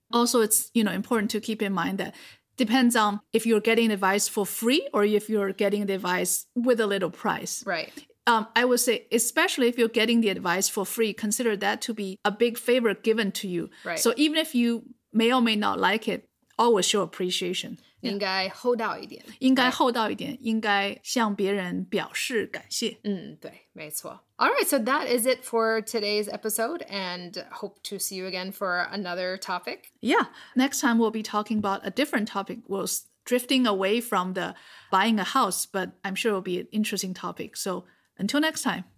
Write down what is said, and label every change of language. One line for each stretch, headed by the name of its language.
English: Also, it's, you know, important to keep in mind that depends on if you're getting advice for free or if you're getting the advice with a little price. Right. I would say, especially if you're getting the advice for free, consider that to be a big favor given to you. Right. So even if you may or may not like it, always show appreciation.
Chinese: 应该厚道一点，应该厚道一点，应该向别人表示感谢。嗯，对，没错。
English: All right, so that is it for today's episode, and hope to see you again for another topic. Yeah, next time we'll be talking about a different topic. We'll drifting away from the buying a house, but I'm sure it'll be an interesting topic. So until next time.